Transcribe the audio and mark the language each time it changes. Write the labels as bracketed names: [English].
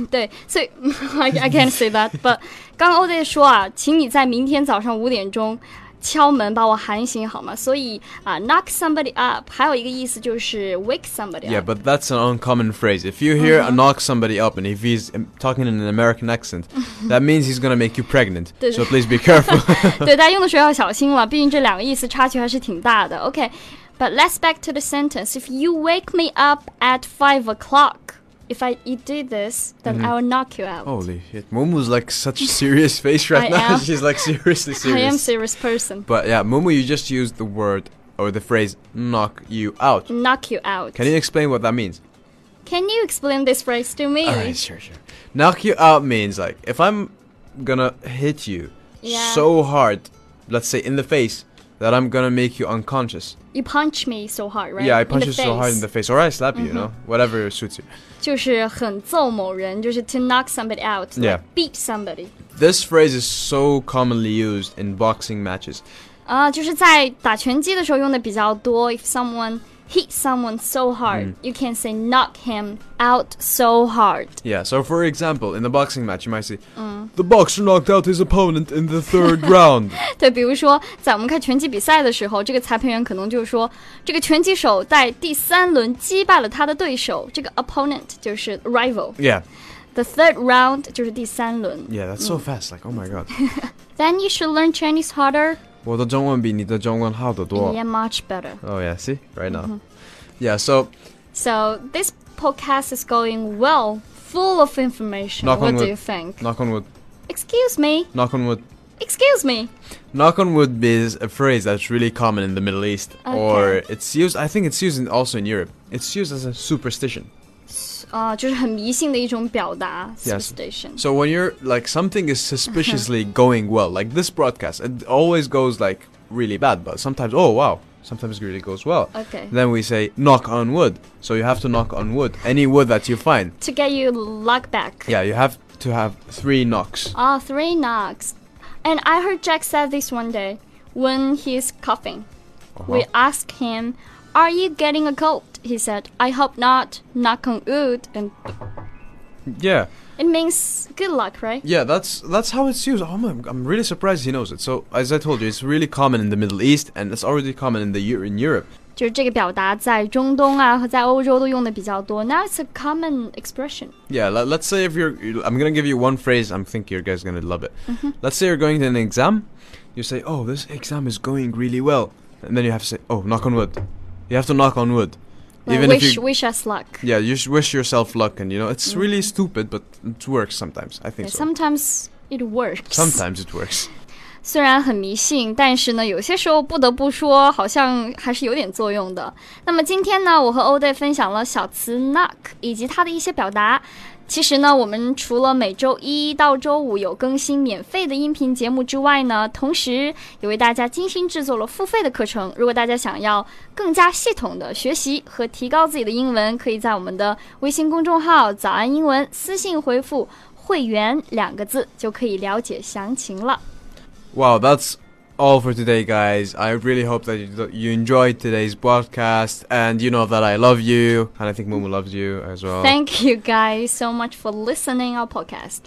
[Chinese] 对，所以 [English] I can't say that. But [Chinese] 刚刚 Ode 说啊，请你在明天早上5点钟敲门把我喊醒好吗？所以啊、 [English] knock somebody up [Chinese] 还有一个意思就是 [English] wake somebody up. Yeah, but that's an uncommon phrase. If you hear、knock somebody up and if he's talking in an American accent, that means he's gonna make you pregnant. So please be careful. [Chinese] 对，大家用的时候要小心了，毕竟这两个意思差距还是挺大的。 [English] OK, but let's back to the sentence. If you wake me up at 5 o'clock, if you did this, then、I will knock you out. Holy shit. Mumu's like such a serious face right now. She's like seriously serious. I am a serious person. But yeah, Mumu, you just used the word or the phrase knock you out. Knock you out. Can you explain what that means? Can you explain this phrase to me? All right, sure, sure. Knock you out means like, if I'm gonna hit you、so hard, let's say in the face, that I'm gonna make you unconscious. You punch me so hard, right? Yeah, I punch you so hard in the face. Or I slap you, you know? Whatever suits you. [Chinese] 就是很揍某人，就是 [English] to knock somebody out. Yeah. Like beat somebody. This phrase is so commonly used in boxing matches. [Chinese] 就是在打拳击的时候用的比较多。 [English] If someone hits someone so hard,、you can say knock him out so hard. Yeah, so for example, in a boxing match, you might say,、the boxer knocked out his opponent in the third round. [Chinese] 对，比如说在我们看拳击比赛的时候，这个裁判员可能就说，这个拳击手在第三轮击败了他的对手，这个 opponent 就是 rival. [English] Yeah. The third round [Chinese] 就是第三轮。 [English] Yeah, that's so fast, like, oh my god. Then you should learn Chinese harder. [Chinese] 我的中文比你的中文好得多。 [English] Yeah, much better. Oh yeah, see, right now.、Yeah, so... So, this podcast is going well, full of information. Knock on wood. What do you think? Knock on wood. Excuse me? Knock on wood. Excuse me? Knock on wood is a phrase that's really common in the Middle East. Okay. Or it's used, I think it's used also in Europe. It's used as a superstition. [Chinese] 就是很迷信的一种表达 superstition. [English] So when you're like something is suspiciously going well, like this broadcast, it always goes like really bad, but sometimes, oh wow, sometimes it really goes well. Okay. Then we say knock on wood. So you have to knock on wood, any wood that you find. To get your luck back. Yeah, you have to have 3 knocks. Oh, 3 knocks. And I heard Jack said this one day when he's coughing. We ask him, are you getting a cold? He said, I hope not, knock on wood. And yeah. It means good luck, right? Yeah, that's how it's used. Oh, I'm really surprised he knows it. So, as I told you, it's really common in the Middle East, and it's already common in Europe. [Chinese] 就是这个表达在中东啊和在欧洲都用的比较多。 [English] Now it's a common expression. Yeah, let's say if you're... I'm going to give you one phrase. I think you guys are going to love it.、Let's say you're going to an exam. You say, oh, this exam is going really well. And then you have to say, oh, knock on wood. You have to knock on wood. Wish us luck. Yeah, you wish yourself luck. And you know, it's really stupid, but it works sometimes, I think. Yeah, sometimes it works. Sometimes it works. [Chinese] 虽然很迷信，但是呢，有些时候不得不说，好像还是有点作用的。那么今天呢，我和Ode分享了小词 knock 以及它的一些表达。其实呢，我们除了每周一到周五有更新免费的音频节目之外呢，同时也为大家精心制作了付费的课程。如果大家想要更加系统的学习和提高自己的英文，可以在我们的微信公众号早安英文私信回复会员两个字就可以了解详情了。 [English] Wow, that's all for today, guys. I really hope that you enjoyed today's broadcast, and you know that I love you, and I think Mumu loves you as well. Thank you, guys, so much for listening our podcast.